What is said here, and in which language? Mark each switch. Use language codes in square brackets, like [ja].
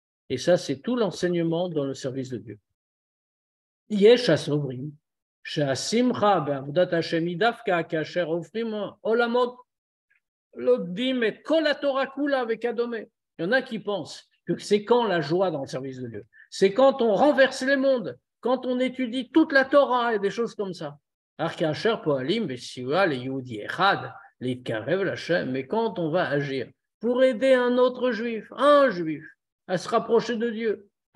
[fr] Et ça, c'est tout l'enseignement dans le service de Dieu. [he] יש הסוברים שהשמחה בעבודת השם היא דווקא כאשר הופכים עולמות לודים את כל התורה כולה וכדומה. [fr] Il y en a qui pensent que c'est quand la joie dans le service de Dieu. C'est quand on renverse les mondes, quand on étudie toute la Torah et des choses comme ça. [he] אך כאשר פועלים בסיוע ליהודי אחד להתקרב לשם, [fr] mais quand on va agir pour aider un autre juif, un juif, à se rapprocher de Dieu.